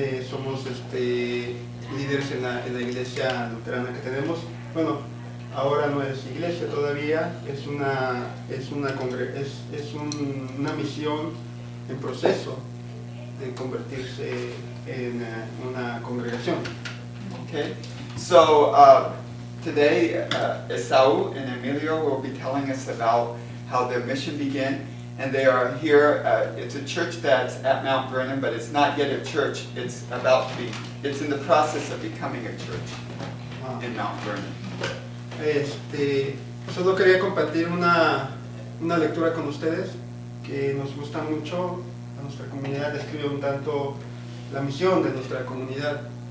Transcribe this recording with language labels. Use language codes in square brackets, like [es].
[es] Somos líderes en la iglesia luterana que tenemos. Bueno, ahora no es iglesia todavía, es una misión en proceso de convertirse en una congregación. [en] Okay. So today Esaú and Emilio will be telling us about how their mission began, and they are here. It's a church that's at Mount Vernon, but it's not yet a church. It's in the process of becoming a church in Mount Vernon. [es] Solo quería compartir una lectura con ustedes que nos gusta mucho a nuestra comunidad. Describe un tanto la misión de nuestra comunidad.